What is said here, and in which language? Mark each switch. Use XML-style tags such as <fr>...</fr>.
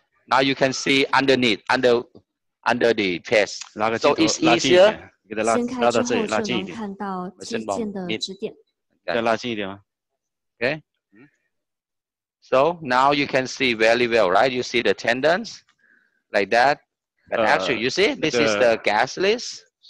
<en>Now you can see underneath, under the pest. So it's easier.</en> <zh>给它拉近一点。掀开之后就能看到肌腱的指点。再拉近一点吗？</zh> <en>Okay. So now you can see very well, right? You see the tendons like that. But actually, you see, this is the gasless.</en>